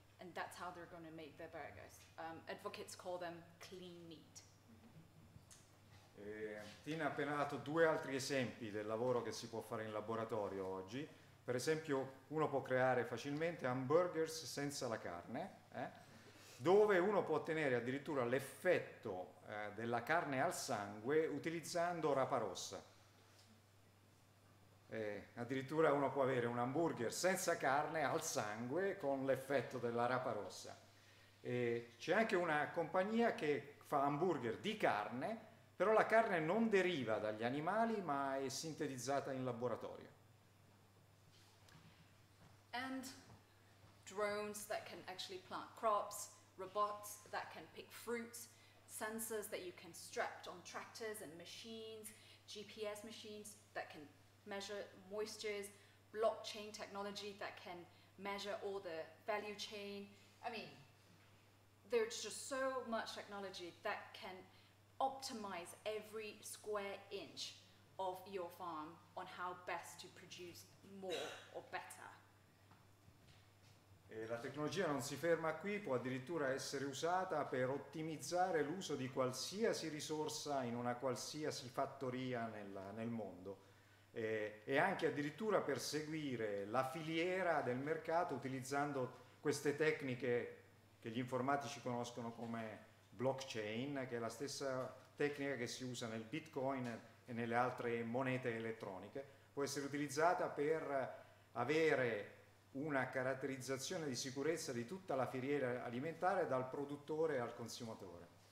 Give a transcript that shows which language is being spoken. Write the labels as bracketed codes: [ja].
[en] And that's how they're going to make their burgers. Advocates call them clean meat. [it] Tina ha appena dato due altri esempi del lavoro che si può fare in laboratorio oggi. Per esempio, uno può creare facilmente hamburgers senza la carne, dove uno può ottenere addirittura l'effetto della carne al sangue utilizzando rapa rossa. Addirittura uno può avere un hamburger senza carne al sangue con l'effetto della rapa rossa. C'è anche una compagnia che fa hamburger di carne, però la carne non deriva dagli animali ma è sintetizzata in laboratorio. [en] And drones that can actually plant crops, robots that can pick fruits, sensors that you can strap on tractors and machines, GPS machines that can measure moistures, blockchain technology that can measure all the value chain. I mean, there's just so much technology that can optimize every square inch of your farm on how best to produce more or better. [it] E la tecnologia non si ferma qui, può addirittura essere usata per ottimizzare l'uso di qualsiasi risorsa in una qualsiasi fattoria nel mondo. E anche addirittura per seguire la filiera del mercato utilizzando queste tecniche che gli informatici conoscono come blockchain, che è la stessa tecnica che si usa nel Bitcoin e nelle altre monete elettroniche, può essere utilizzata per avere una caratterizzazione di sicurezza di tutta la filiera alimentare dal produttore al consumatore.